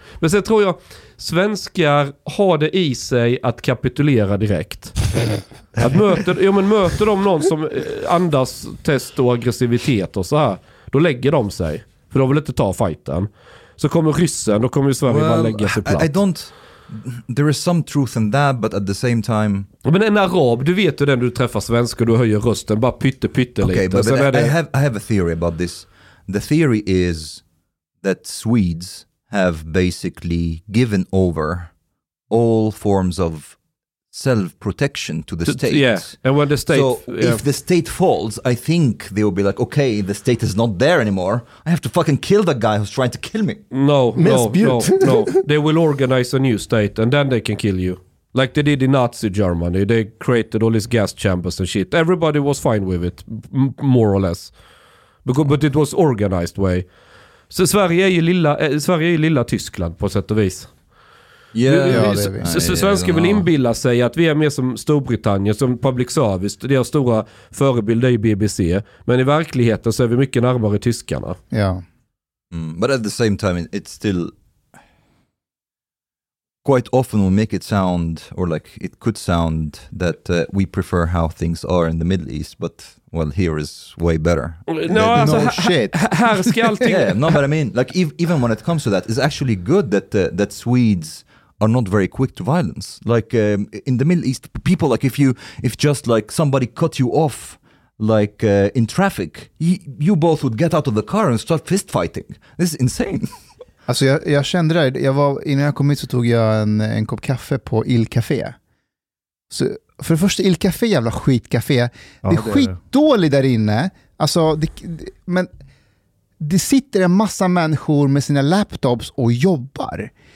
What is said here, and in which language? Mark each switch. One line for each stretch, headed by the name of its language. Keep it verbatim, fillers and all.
Swedish: Men sen tror jag svenskar har det i sig att kapitulera direkt. Att möter, ja, men möter de någon som andas test och aggressivitet och så här, då lägger de sig. För de vill inte ta fighten. Så kommer ryssen, då kommer ju Sverige well, bara lägga sig platt.
English: I, I don't... There is some truth in that, but at the same time...
Swedish: Men en arab, du vet ju den du träffar svensk och du höjer rösten, bara pytte pytte okay, lite.
English: But, but I, det... I, have, I have a theory about this. The theory is that Swedes have basically given over all forms of self-protection to the to, state. Yeah, and when the state... So yeah. if the state falls, I think they will be like, okay, the state is not there anymore. I have to fucking kill the guy who's trying to kill me. No, no, no, no. They will organize a new state and then they can kill you. Like they did in Nazi Germany. They created all these gas chambers and shit. Everybody was fine with it, m- more or less. Because, but it was organized way.
Swedish: Så Sverige är ju lilla, eh, Sverige är ju lilla Tyskland på sätt och vis. Yeah, ja, svenskar vill inbilla sig att vi är mer som Storbritannien, som public service. Deras stora förebild är ju B B C. Men i verkligheten så är vi mycket närmare tyskarna. Ja.
English: Mm, but at the same time it's still quite often will make it sound or like it could sound that uh, we prefer how things are in the Middle East, but well, here is way better.
Swedish: No, no alltså,
English: shit.
Swedish: Här, här ska allting...
English: yeah, no, but I mean, like if, even when it comes to that, it's actually good that uh, that Swedes are not very quick to violence. Like um, in the Middle East, people like if you if just like somebody cut you off like uh, in traffic, y- you both would get out of the car and start fist fighting. This is insane.
Swedish: Alltså jag, jag kände det. Jag var, innan jag kom hit så tog jag en, en kopp kaffe på Il Café. Så för det första, Il Café, jävla skitcafé. Ja, det är skitdåligt där inne. Alltså, det, men det sitter en massa människor med sina laptops och jobbar.